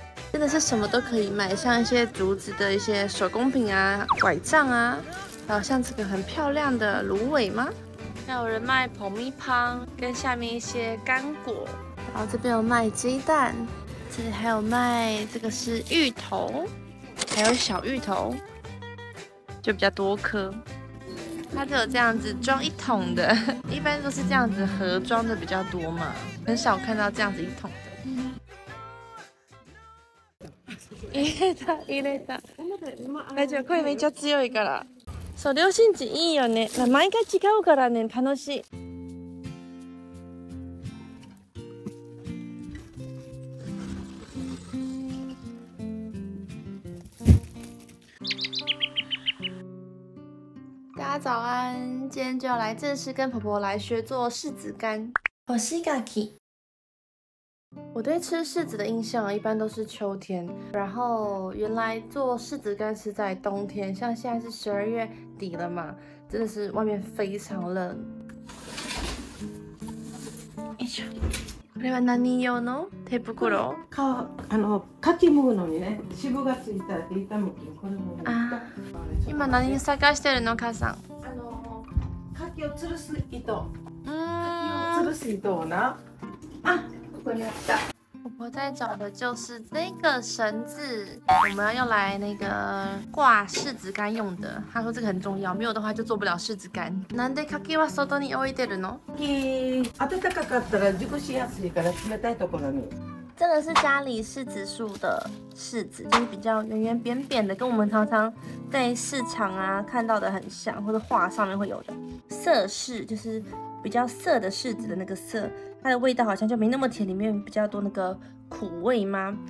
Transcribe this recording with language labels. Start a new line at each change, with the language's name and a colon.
Chinese: 真的是什么都可以买，像一些竹子的一些手工品啊，拐杖啊，然后像这个很漂亮的芦苇吗，还有人卖捧蜜汤跟下面一些干果，然后这边有卖鸡蛋，这里还有卖，这个是芋头，还有小芋头，就比较多颗。它只有这样子装一桶的，一般都是这样子盒装的比较多嘛，很少看到这样子一桶的。
Japanese: 入れた。大丈夫、これめっちゃ強いから。そう、両親子いいよね。まあ、毎回違うからね、楽しい。
Chinese: 早安，今天就要来正式跟婆婆来学做柿子干。
Japanese: 干し柿。
Chinese: 我对吃柿子的印象一般都是秋天，然后原来做柿子干是在冬天，像现在是12月底了嘛，真的是外面非常冷。
Japanese: これは何用の手袋？柿剥くのにね、渋がついたって痛むけど、これも。あ、今何探してるの、母さん？柿を吊るす糸。柿を吊るす糸をな。あ、ここにあった。
Chinese: 婆婆在找的就是这个绳子，我们要用来那个挂柿子干用的。她说这个很重要，没有的话就做不了柿子干。
Japanese: なんで柿は外に置いてるの？柿、暖かかったら熟しやすいから冷たいところに。
Chinese: 这个是家里柿子树的柿子，就是比较圆圆扁扁的，跟我们常常在市场啊看到的很像，或者画上面会有的色柿，就是比较涩的柿子的那个涩，它的味道好像就没那么甜，里面比较多那个苦味嘛。